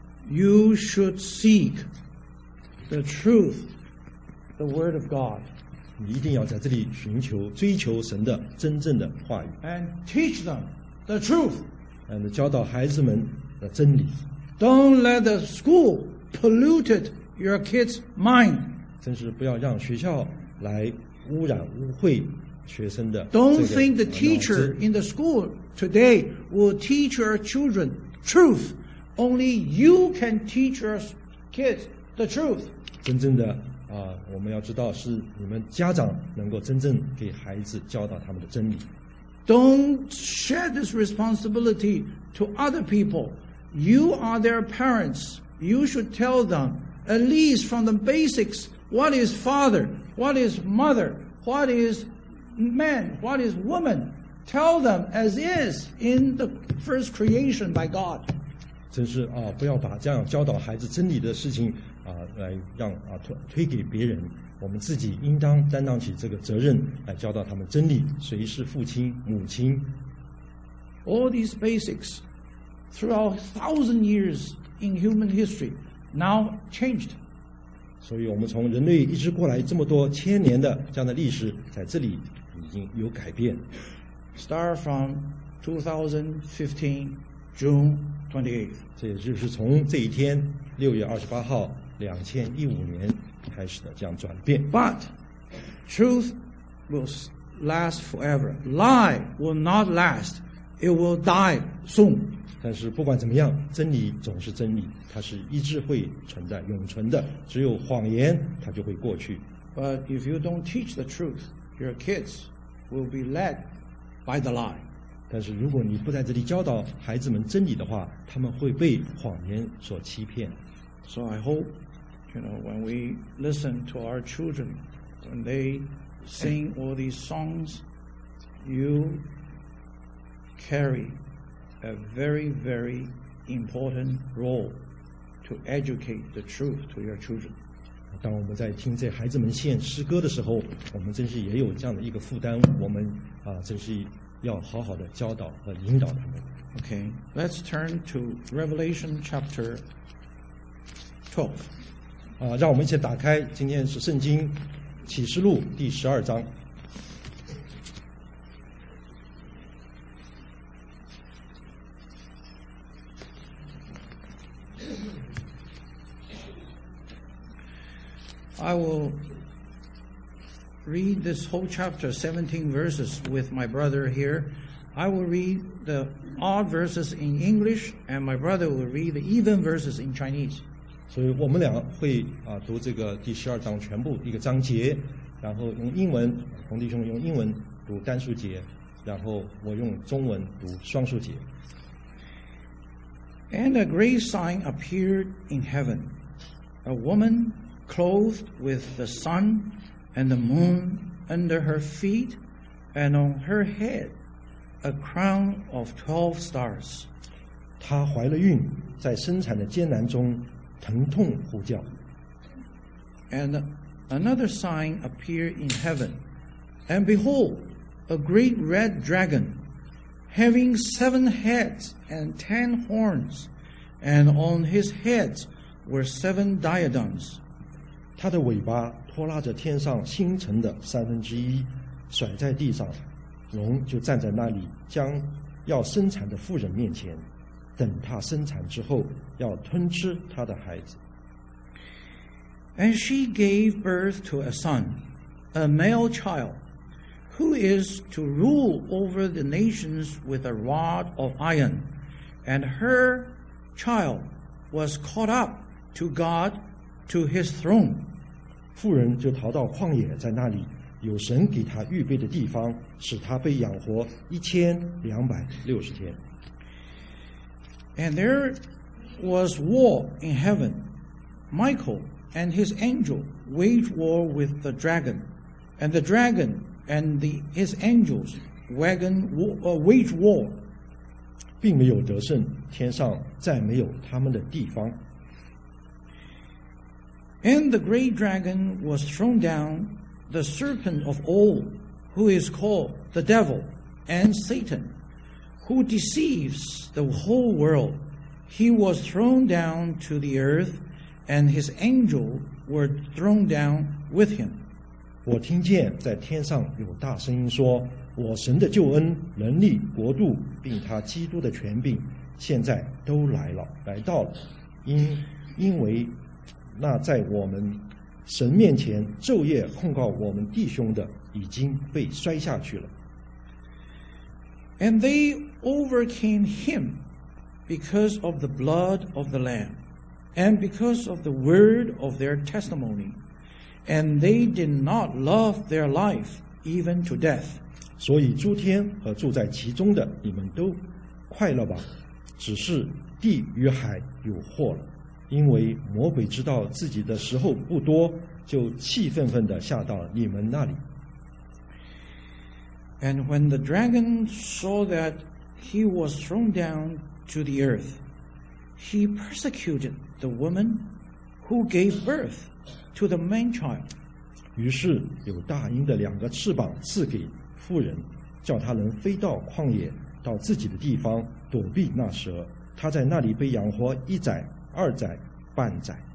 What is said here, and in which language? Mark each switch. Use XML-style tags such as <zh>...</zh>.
<en>You should seek the truth, the word of God.</en> <zh>你一定要在这里寻求、追求神的真正的话语。</zh> <en>And teach them the truth. And</en> <zh>教导孩子们的真理。</zh> <en>Don't let the school pollute your kids' mind.</en> <zh>真是不要让学校来污染、污秽学生的。</zh> <en>Don't think the teacher in the school today will teach your children truth. Only you can teach your kids the truth.</en> <zh>真正的我们要知道是你们家长能够真正给孩子教导他们的真理。</zh> <en>Don't share this responsibility to other people. You are their parents. You should tell them at least from the basics: what is father, what is mother, what is man, what is woman. Tell them as is in the first creation by God.</en> <zh>真是不要把这样教导孩子真理的事情来让推给别人，我们自己应当担当起这个责任来教导他们真理，谁是父亲母亲。</zh> <en>All these basics throughout 1,000 years in human history now changed.</en> <zh>所以我们从人类一直过来这么多千年的这样的历史，在这里已经有改变。</zh> <en>Start from 2015 June 28th。</en> <zh>这也就是从这一天6月28号2015年开始的这样转变。</zh> <en>But truth will last forever. Lie will not last. It will die soon.</en> <zh>但是不管怎么样，真理总是真理，它是一直会存在、永存的。只有谎言，它就会过去。</zh> <en>But if you don't teach the truth, your kids will be led by the lie.</en> <zh>但是如果你不在这里教导孩子们真理的话，他们会被谎言所欺骗。</zh> <en>So I hope, you know, when we listen to our children, when they sing all these songs, you carry. A very, very important role to educate the truth to your children.</en> <zh>当我们在听这孩子们献诗歌的时候，我们真是也有这样的一个负担。我们啊，真是要好好的教导和引导他们。</zh> <en>Okay, let's turn to Revelation chapter 12.</en> <zh>啊，让我们一起打开，今天是圣经启示录第十二章。</zh> <en>I will read this whole chapter, 17 verses, with my brother here. I will read the odd verses in English, and my brother will read the even verses in Chinese.</en> <zh>所以我们俩会啊读这个第十二章全部一个章节，然后用英文，洪弟兄用英文读单数节，然后我用中文读双数节。</zh> <en>And a great sign appeared in heaven, a woman. Clothed with the sun and the moon under her feet, and on her head a crown of 12 stars.</en> <zh>她怀了孕，在生产的艰难中疼痛呼叫。</zh> <en>And another sign appeared in heaven, and behold, a great red dragon, having 7 heads and 10 horns, and on his heads were 7 diadems.</en> <zh>他的尾巴拖拉着天上星辰的三分之一，甩在地上，龙就站在那里，将要生产的妇人面前，等他生产之后，要吞吃他的孩子。</zh> <en>And she gave birth to a son, a male child, who is to rule over the nations with a rod of iron, and her child was caught up to God. To his throne.</en> <zh>妇人就逃到旷野，在那里有神给她预备的地方，使她被养活1260天。</zh> <en>And there was war in heaven. Michael and his angel waged war with the dragon, and the dragon and his angels waged war.</en> <zh>并没有得胜，天上再没有他们的地方。</zh> <en>And the great dragon was thrown down, the serpent of old, who is called the devil and Satan, who deceives the whole world. He was thrown down to the earth, and his angel were thrown down with him.</en> <zh>我听见在天上有大声音说，我神的救恩、能力、国度，并他基督的权柄，现在都来了，来到了，因为那在我们神面前昼夜控告我们弟兄的已经被摔下去了。</zh> <en>And they overcame him because of the blood of the Lamb and because of the word of their testimony, and they did not love their life even to death.</en> <zh>所以诸天和住在其中的你们都快乐吧，只是地与海有祸了，因为魔鬼知道自己的时候不多，就气愤愤地下到你们那里。</zh> <en>And when the dragon saw that he was thrown down to the earth, he persecuted the woman who gave birth to the man child.</en> <zh>于是有大鹰的两个翅膀赐给妇人，叫她能飞到旷野，到自己的地方躲避那蛇。她在那里被养活一载、二载、半载。</zh>